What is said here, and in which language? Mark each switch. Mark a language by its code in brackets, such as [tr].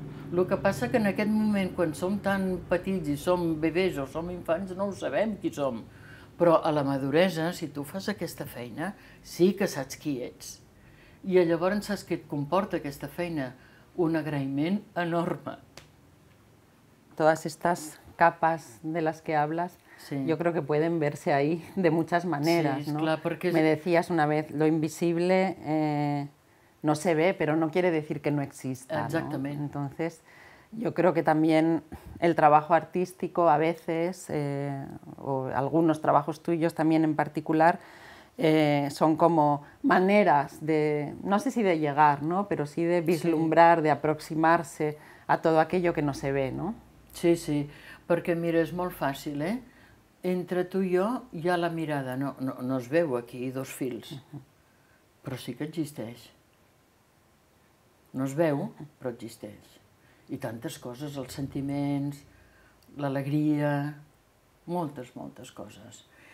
[ca] El que passa que en aquest moment, quan som tan petits i som bebès o som infants, no ho sabem qui som. Però a la maduresa, si tu fas aquesta feina, sí que saps qui ets. I llavors saps què et comporta aquesta feina? Un agraïment enorme. [es] Todas estas capas de las que hablas, sí, yo creo que pueden verse ahí de muchas maneras, sí, ¿no? [ca] Clar, porque... [es] Me decías una vez, lo invisible no se ve, pero no quiere decir que no exista. Exactamente. ¿No? Entonces, yo creo que también el trabajo artístico a veces, o algunos trabajos tuyos también en particular, son como maneras de, no sé si de llegar, ¿no? Pero sí de vislumbrar, sí, de aproximarse a todo aquello que no se ve, ¿no? Sí, sí, porque mira, es muy fácil, ¿eh? [ca] Entre tu i jo hi ha la mirada, no es veu aquí, dos fils, però sí que existeix. No es veu, però existeix. I tantes coses, els sentiments, l'alegria, moltes, moltes coses.